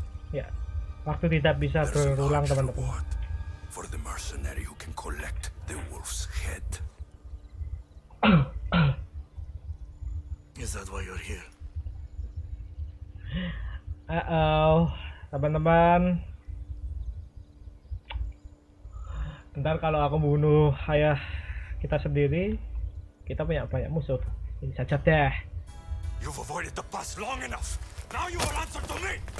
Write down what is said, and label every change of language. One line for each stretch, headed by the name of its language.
Indonesian: Ya, waktu tidak bisa berulang, teman-teman.
English: For the mercenary who can collect the wolf's head. Is that why you're here?
Indonesian: Uh-oh, teman-teman. Ntar kalau aku bunuh ayah kita sendiri, kita punya banyak musuh. Ini cacat deh.
English: You've avoided the past long enough. Now you will answer to me.